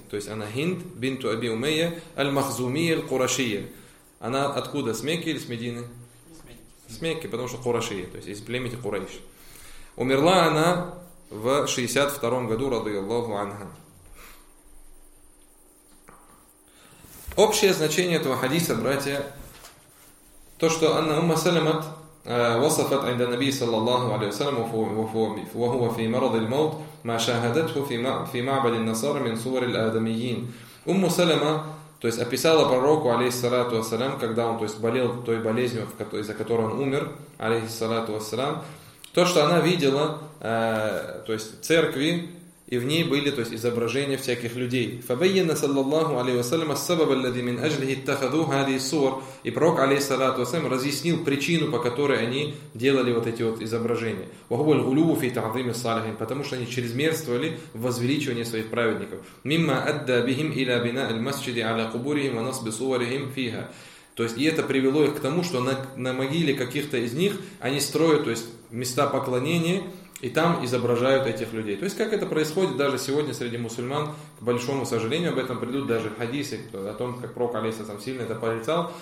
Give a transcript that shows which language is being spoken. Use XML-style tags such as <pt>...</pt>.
<ru>То есть, она Хинд бинту Аби Умейя, аль-Махзумия аль-Курашия. Она откуда? С Мекки или с Медины? С Мекки, потому что Курашия, то есть, из племени Курайш. Умерла она в 62-м году, радыяллаху анха. Общее значение этого хадиса, братья, то, что Анна Умма Салемат</ru> <ar>وصفت عند النبي صلى الله عليه وسلم وهو في مرض الموت ما شاهدته في معبد النصارى من صور الآدميين.</ar> <ru>أم سلمة, то есть описала пророку алейхиссалату вассалям, когда он, то есть, болел той болезнью, из-за которой он умер, алейхиссалату вассалям, то, что она видела, то есть церкви, и в ней были, то есть, изображения всяких людей.</ru> <ar>فبين صلى الله عليه وسلم السبب الذي من أجله اتخذوا هذه الصور.</ar> <ru>И пророк алейхиссалату вассалям разъяснил причину, по которой они делали вот эти вот изображения.</ru> <ar>وهو الغلو في تعظيم الصالحين,</ar> <ru>потому что они чрезмерствовали в возвеличивании своих праведников.</ru> <ar>مما أدى بهم إلى بناء المسجد على قبورهم ونصب صورهم فيها.</ar> <ru>То есть, и это привело их к тому, что на могиле каких-то из них они строят, то есть, места поклонения. И там изображают этих людей. То есть, как это происходит даже сегодня среди мусульман, к большому сожалению, об этом придут даже хадисы, о том, как пророк, алейхиссалям, сильно это порицал.</ru>